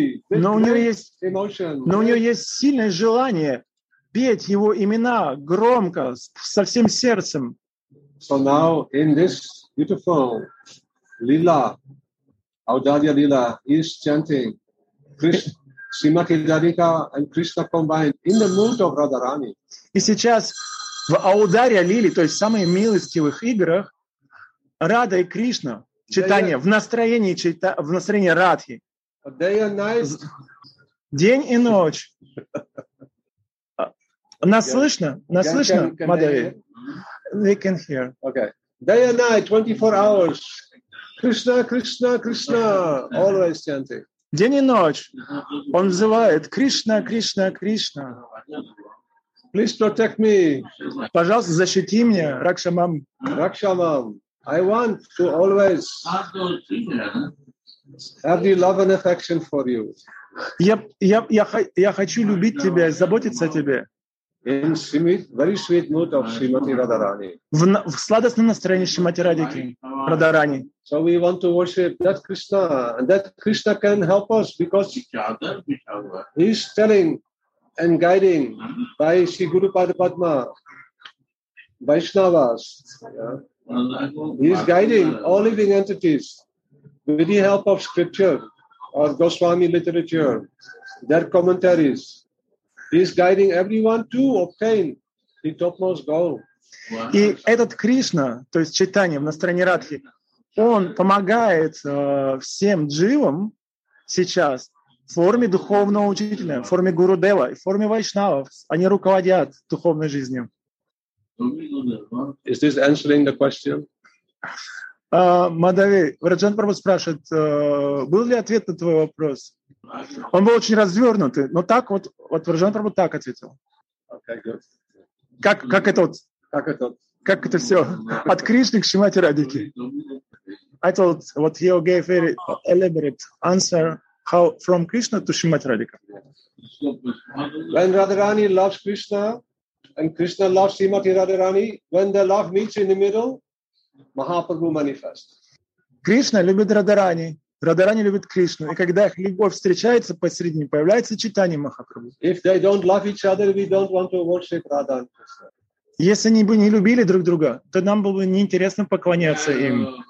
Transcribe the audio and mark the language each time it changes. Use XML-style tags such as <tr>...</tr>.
<ru>Но у нее есть сильное желание петь его имена громко, со всем сердцем.</ru> <en>So now in this beautiful lila, Audarya lila, is chanting Srimati Radhika and Krishna combined in the mood of Radharani.</en> <ru>И сейчас в Аударе Лили, то есть в самых милостивых играх, Рада и Кришна, читание, в настроении, в настроении Радхи.</ru> <en>Day and night.</en> <ru>День и ночь. Нас слышно? Нас слышно, Мадави?</ru> <en>We can hear. Okay. Day and night, 24 hours. Krishna, Krishna, Krishna. Always chanting.</en> <ru>День и ночь. Он взывает Кришна, Кришна, Кришна.</ru> <en>Please protect me.</en> <ru>Пожалуйста, защити меня, Ракшамам.</ru> <en>Ракшамам, I want to always have the love and affection for you.</en> <ru>Я хочу любить тебя, заботиться о тебе.</ru> <en>In simit, very sweet mood of Srimati Radharani.</en> <ru>В сладостном настроении Шримати Радхики, Радхарани.</ru> <en>So we want to worship that Krishna, and that Krishna can help us because he's telling and guiding by Sri Guru Padma, Vaishnavas. Yeah? He's guiding all living entities with the help of scripture or Goswami literature, their commentaries. He is guiding everyone to obtain the topmost goal.</en> <ru>И этот Кришна, то есть читание в настроении Радхи, он помогает всем дживам сейчас в форме духовного учителя, в форме Гуру Дева, в форме Вайшнавов. Они руководят духовной жизнью.</ru> <en>Is this answering the question?</en> <ru>Мадави, Раджан Прабху спрашивает, был ли ответ на твой вопрос? Он был очень развернутый, но так вот, вот Раджан Прабху так ответил. Как это вот? Как это все? От Кришны к Шримати Радхике.</ru> <en>I thought what he gave very elaborate answer how from Krishna to Shrimati Radhika. When Radharani loves Krishna and Krishna loves Shrimati Radharani, when their love meets in the middle, Mahaprabhu manifests.</en> <ru>Krishna любит Радхарани, Радхарани любит Кришну, и когда их любовь встречается посередине, появляется читание Махапрабху.</ru> <en>If they don't love each other, we don't want to worship Radha and Krishna.</en> <ru>Если они бы не любили друг друга, то нам было бы неинтересно поклоняться им.</ru>